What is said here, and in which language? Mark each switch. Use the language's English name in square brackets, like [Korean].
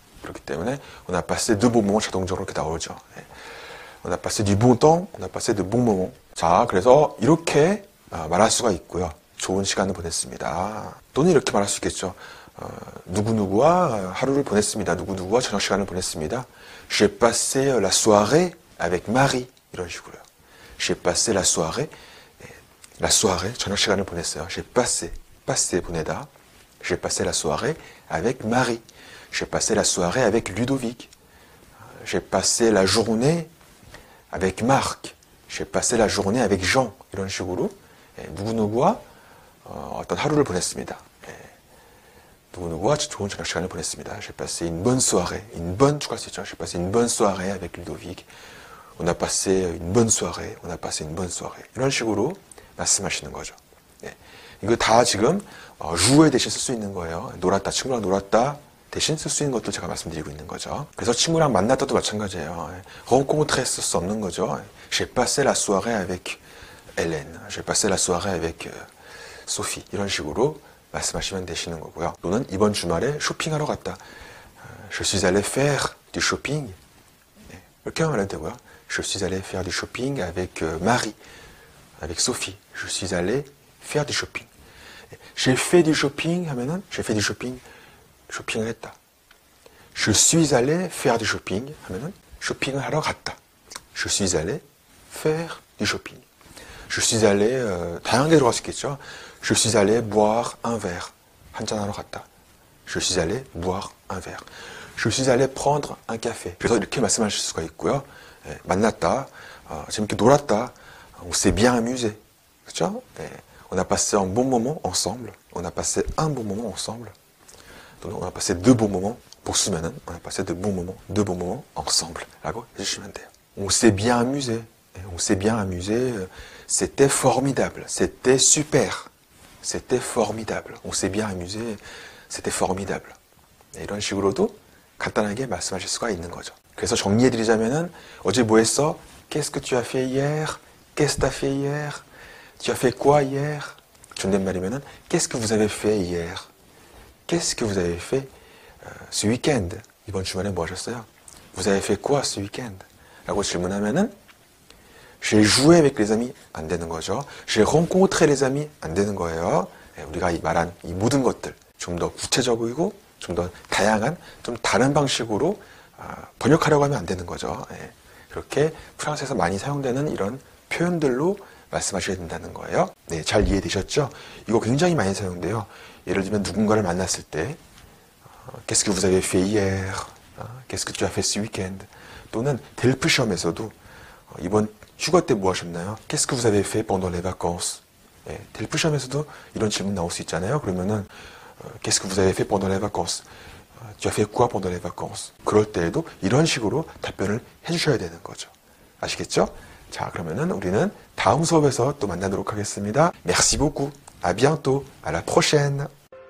[Korean] 그렇기 때문에 오나파스 느부몽은 자동적으로 이렇게 나오죠. 오나파스 뉴붕우똥, 오나파스 느부몽. 자, 그래서 이렇게 말할 수가 있고요. 좋은 시간을 보냈습니다. 또는 이렇게 말할 수 있겠죠. 누구누구와 하루를 보냈습니다. 누구누구와 저녁 시간을 보냈습니다. [French] J'ai passé la soirée avec Marie. [Korean] 이런 식으로요. [French] J'ai passé la soirée. La soirée. [Korean] 저녁 시간을 보냈어요. [French] J'ai passé. Passé 보내다. J'ai passé la soirée avec Marie. J'ai passé la soirée avec Ludovic. J'ai passé la journée avec Marc. J'ai passé la journée avec Jean. [Korean] 이런 식으로. 누구누구와 어떤 하루를 보냈습니다. 누구누구와 좋은 저녁 시간을 보냈습니다. [French] J'ai passé une bonne soirée. [Korean] Une bonne 추가할 수 있죠. [French] J'ai passé une bonne soirée avec Ludovic. On a passé une bonne soirée. On a passé une bonne soirée. [Korean] 이런 식으로 말씀하시는 거죠. 이거 다 지금 jouer 대신 쓸수 있는 거예요. 놀았다, 친구랑 놀았다 대신 쓸수 있는 것들 제가 말씀드리고 있는 거죠. 그래서 친구랑 만났다도 마찬가지예요. Rencontrer 쓸수 없는 거죠. [French] J'ai passé la soirée avec Hélène, j'ai passé la soirée avec Sophie. [Korean] 이런 식으로 말씀하시면 되시는 거고요. 또는 이번 주말에 쇼핑하러 갔다. [French] Je suis allé faire du shopping. [Korean] 네. 이렇게 말해도 되고요. [French] Je suis allé faire du shopping avec Marie, avec Sophie. Je suis allé faire du shopping. J'ai fait du shopping [Korean] 하면은 [French] j'ai fait du shopping. [Korean] 쇼핑을 했다. [French] Je suis allé faire du shopping [Korean] 하면은 쇼핑을 하러 갔다. [French] Je suis allé faire du shopping. [Korean] Je suis allé, 다양하게 들어갈 수 있겠죠. [French] Je suis allé boire un verre. [Korean] 한잔하러 갔다. [French] Je suis allé boire un verre. Je suis allé prendre un café. [Korean] 그래서 이렇게 말씀하실 수가 있고요. 만났다. 재밌게 놀았다. [French] On s'est bien amusé. [Korean] 그쵸? [French] On a passé un bon moment ensemble. On a passé un bon moment ensemble. 또는 On a passé deux bons moments. [Korean] 복수면은 [French] On a passé deux bons moments ensemble. [Korean] 라고 해주시면 돼요. [French] On s'est bien amusé. On s'est bien amusé. C'était formidable, c'était super, c'était formidable. On s'est bien amusé, c'était formidable. [Korean] 이런 식으로도 간단하게 말씀하실 수가 있는 거죠. 그래서 정리해드리자면은 어제 뭐 했어? [French] Qu'est-ce que tu as fait hier? Qu'est-ce que t'as fait hier? Tu as fait quoi hier? [Korean] 존댓말이면은 [French] Qu'est-ce que vous avez fait hier? Qu'est-ce que vous avez fait ce week-end? [Korean] 이번 주말에 뭐 하셨어요? [French] Vous avez fait quoi ce week-end? [Korean] 라고 질문하면은 [French] J'ai joué avec les amis. [Korean] 안 되는 거죠. [French] J'ai rencontré les amis. [Korean] 안 되는 거예요. 우리가 말한 이 모든 것들. 좀더 구체적이고, 좀더 다양한, 좀 다른 방식으로 번역하려고 하면 안 되는 거죠. 그렇게 프랑스에서 많이 사용되는 이런 표현들로 말씀하셔야 된다는 거예요. 네, 잘 이해되셨죠? 이거 굉장히 많이 사용돼요. 예를 들면 누군가를 만났을 때, [French] Qu'est-ce que vous avez fait hier? Qu'est-ce que tu as fait ce week-end? [Korean] 또는 델프 시험에서도 이번 휴가 때뭐 하셨나요? [French] Qu'est-ce que vous avez fait pendant les vacances? [Korean] 네, 델프 시험에서도 이런 질문 나올 수 있잖아요. 그러면은 [French] Qu'est-ce que vous avez fait pendant les vacances? Tu as fait quoi pendant les vacances? [Korean] 그럴 때에도 이런 식으로 답변을 해주셔야 되는 거죠. 아시겠죠? 자, 그러면은 우리는 다음 수업에서 또 만나도록 하겠습니다. [French] Merci beaucoup. À bientôt. À la prochaine.